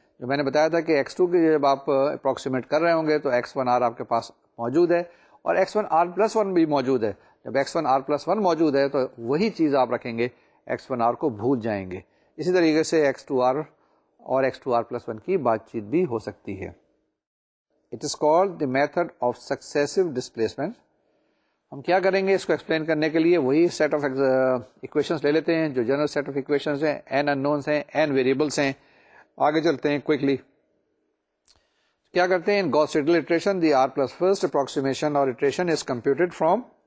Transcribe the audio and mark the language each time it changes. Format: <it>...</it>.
<ur>جو میں نے بتایا تھا کہ ایکس ٹو کے جب آپ اپروکسیمیٹ کر رہے ہوں گے تو ایکس ون آر آپ کے پاس موجود ہے اور x one are plus one بھی موجود ہے. جب x one are plus one موجود ہے تو وہی چیز آپ رکھیں گے, ایکس ون آر کو بھول جائیں گے. اسی طریقے سے ایکس ٹو آر اور x to are plus one کی بات چیت بھی ہو سکتی ہے.</ur> <en>It is called the method of successive displacement.</en> <ur>ہم کیا کریں گے اس کو ایکسپلین کرنے کے لیے, وہی سیٹ آف ایکویشنز لے لیتے ہیں جو جنرل سیٹ آف ایکویشنز ہیں, این ان نونس ہیں, این ویریبلس ہیں. آگے چلتے ہیں کوئکلی, کیا کرتے ہیں,</ur> <en>In Gauss Seidel iteration the R plus first approximation اور iteration is computed from.</en>